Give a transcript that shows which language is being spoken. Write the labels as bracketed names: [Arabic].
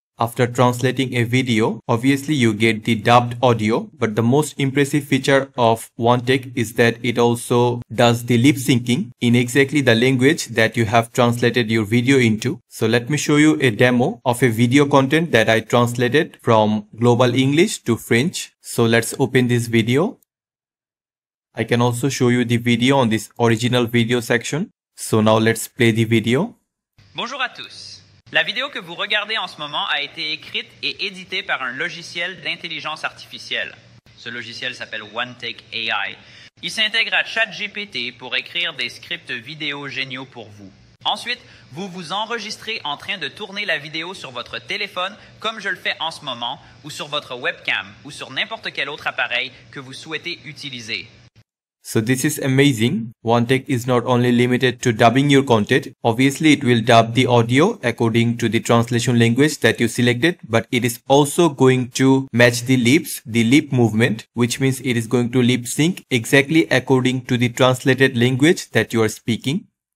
[English] After translating a video, obviously you get the dubbed audio, but the most impressive feature of OneTake is that it also does the lip syncing in exactly the language that you have translated your video into. So let me show you a demo of a video content that I translated from Global English to French. So let's open this video. I can also show you the video on this original video section. So now let's play the video. [French] Bonjour à tous. La vidéo que vous regardez en ce moment a été écrite et éditée par un logiciel d'intelligence artificielle. Ce logiciel s'appelle OneTake AI. Il s'intègre à ChatGPT pour écrire des scripts vidéo géniaux pour vous. Ensuite, vous vous enregistrez en train de tourner la vidéo sur votre téléphone, comme je le fais en ce moment, ou sur votre webcam, ou sur n'importe quel autre appareil que vous souhaitez utiliser. [English] So this is amazing. OneTake is not only limited to dubbing your content. Obviously, it will dub the audio according to the translation language that you selected, but it is also going to match the lips, the lip movement, which means it is going to lip sync exactly according to the translated language that you are speaking.